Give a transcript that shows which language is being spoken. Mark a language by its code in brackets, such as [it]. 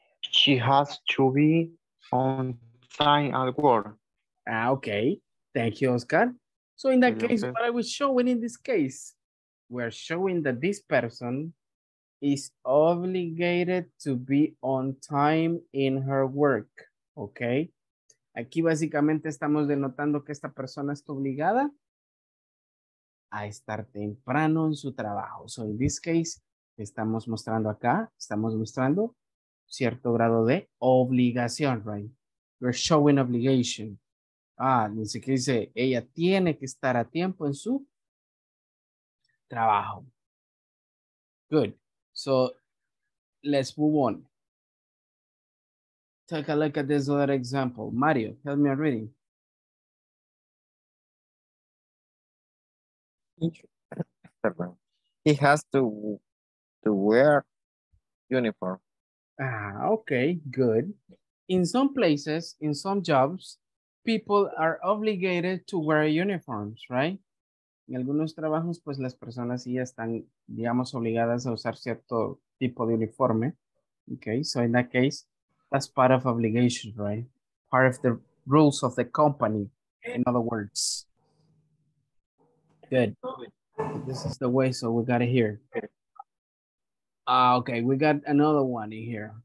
[en] She has to be on time at work. Okay. Thank you, Oscar. So in that case, what are we showing in this case? We're showing that this person is obligated to be on time in her work. Okay. [es] Aquí básicamente estamos denotando que esta persona está obligada a estar temprano en su trabajo. [en] So in this case, [es] estamos mostrando acá, estamos mostrando cierto grado de obligación, right? [en] We're showing obligation. [es] Ni siquiera dice, ella tiene que estar a tiempo en su trabajo. [en] Good. So let's move on. Take a look at this other example. Mario, help me reading. He has to wear uniform. Okay, good. In some places, in some jobs, people are obligated to wear uniforms, right? [es] En algunos trabajos, pues las personas sí están, digamos, obligadas a usar cierto tipo de uniforme. [en] Okay, so in that case, that's part of obligation, right? Part of the rules of the company, in other words. Good. This is the way, so we got it here. Okay, we got another one in here.